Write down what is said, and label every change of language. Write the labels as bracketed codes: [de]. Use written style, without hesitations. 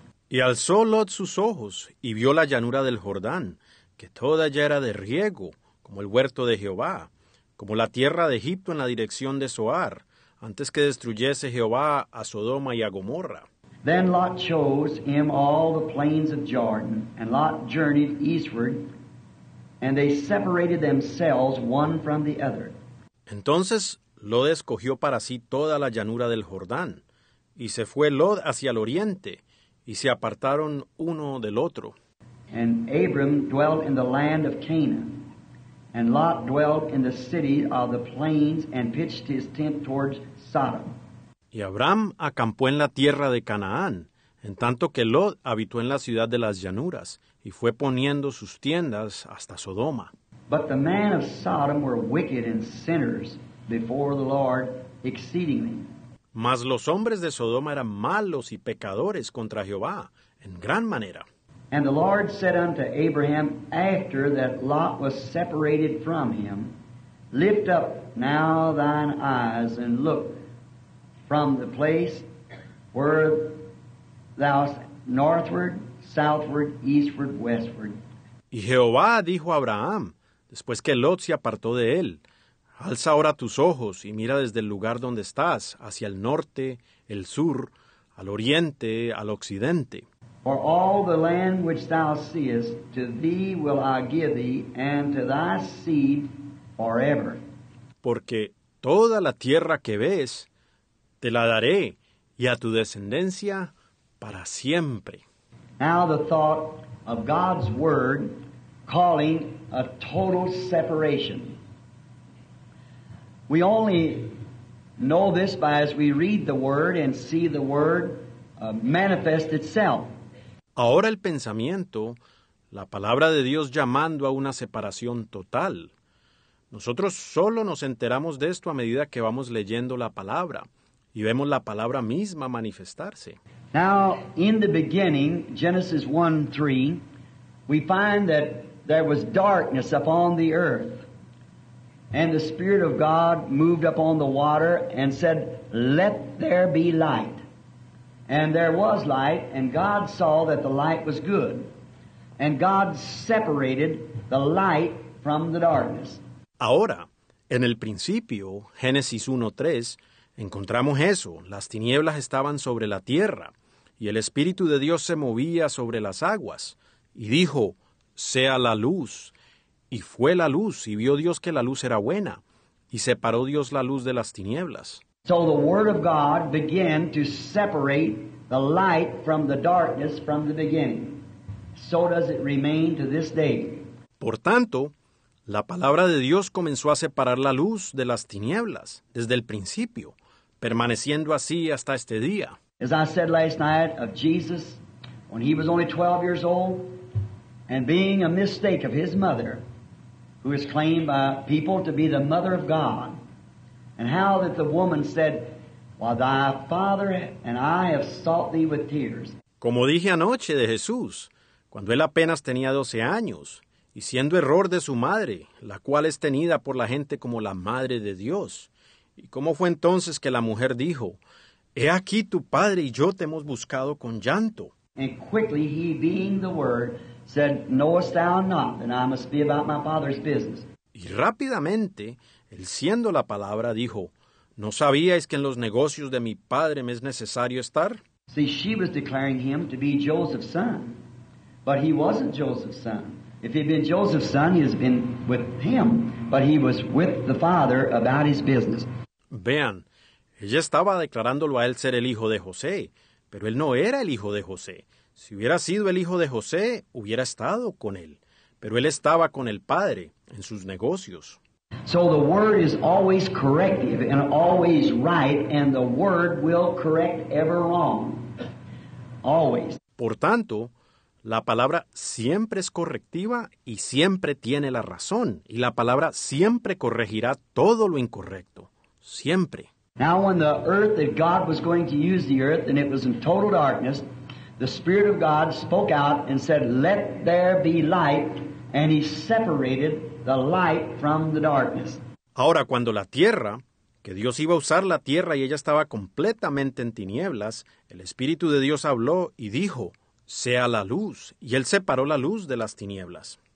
[es] Y alzó Lot sus ojos, y vio la llanura del Jordán, que toda ya era de riego, como el huerto de Jehová, como la tierra de Egipto en la dirección de Zoar, antes que destruyese Jehová a Sodoma y a Gomorra. [en] Then Lot chose him all the plains of Jordan, and Lot journeyed eastward, and they separated themselves one from the other. [es] Entonces Lot escogió para sí toda la llanura del Jordán, y se fue Lot hacia el oriente, y se apartaron uno del otro. [en] And Abram dwelt in the land of Canaan, and Lot dwelt in the city of the plains, and pitched his tent towards Sodom. [es] Y Abraham acampó en la tierra de Canaán, En tanto que Lot habitó en la ciudad de las llanuras y fue poniendo sus tiendas hasta Sodoma. [en] But the men of Sodom were wicked and sinners before the Lord exceedingly. [es] Mas los hombres de Sodoma eran malos y pecadores contra Jehová en gran manera. [en] And the Lord said unto Abraham, after that Lot was separated from him, lift up now thine eyes and look from the place where thou art northward, southward, eastward, westward. [es] Y Jehová dijo a Abraham, después que Lot se apartó de él, alza ahora tus ojos y mira desde el lugar donde estás, hacia el norte, el sur, al oriente, al occidente. [en] For all the land which thou seest, to thee will I give thee, and to thy seed forever. [es] Porque toda la tierra que ves, te la daré, y a tu descendencia para siempre. [en] Now the thought of God's word calling a total separation. We only know this by as we read the word and see the word manifest itself. [es] Ahora el pensamiento, la palabra de Dios llamando a una separación total. Nosotros solo nos enteramos de esto a medida que vamos leyendo la palabra y vemos la palabra misma manifestarse. [en] Now, in the beginning, Genesis 1:3, we find that there was darkness upon the earth, and the Spirit of God moved upon the water and said, let there be light. And there was light, and God saw that the light was good. And God separated the light from the darkness. [es] Ahora, en el principio, Génesis 1:3, encontramos eso. Las tinieblas estaban sobre la tierra, y el Espíritu de Dios se movía sobre las aguas. Y dijo, sea la luz. Y fue la luz, y vio Dios que la luz era buena. Y separó Dios la luz de las tinieblas. [en] So the Word of God began to separate the light from the darkness from the beginning. So does it remain to this day. [es] Por tanto, la palabra de Dios comenzó a separar la luz de las tinieblas desde el principio, permaneciendo así hasta este día. [en] As I said last night of Jesus, when he was only 12 years old, and being a mistake of his mother, who is claimed by people to be the mother of God, and how that the woman said, while thy father and I have sought thee with tears. [es] Como dije anoche de Jesús, cuando él apenas tenía 12 años, y siendo error de su madre, la cual es tenida por la gente como la madre de Dios. Y cómo fue entonces que la mujer dijo, he aquí tu padre y yo te hemos buscado con llanto. [en] And quickly he, being the word, said, knowest thou not that I must be about my father's business. [es] Y rápidamente, él siendo la palabra, dijo, ¿no sabíais que en los negocios de mi padre me es necesario estar? [en] See, she was declaring him to be Joseph's son, but he wasn't Joseph's son. If he'd been Joseph's son, he'd been with him, but he was with the father about his business. [es] Vean, ella estaba declarándolo a él ser el hijo de José, pero él no era el hijo de José. Si hubiera sido el hijo de José, hubiera estado con él, pero él estaba con el padre en sus negocios. [en] So the word is always corrective and always right, and the word will correct ever wrong. Always. [es] Por tanto, la palabra siempre es correctiva y siempre tiene la razón, y la palabra siempre corregirá todo lo incorrecto. Siempre. [en] Now when the earth that God was going to use the earth and it was in total darkness, the Spirit of God spoke out and said, let there be light, and he separated the light from the darkness. [es] Ahora, cuando la tierra, que Dios iba a usar la tierra y ella estaba completamente en tinieblas, el Espíritu de Dios habló y dijo, sea la luz, y él separó la luz de las tinieblas.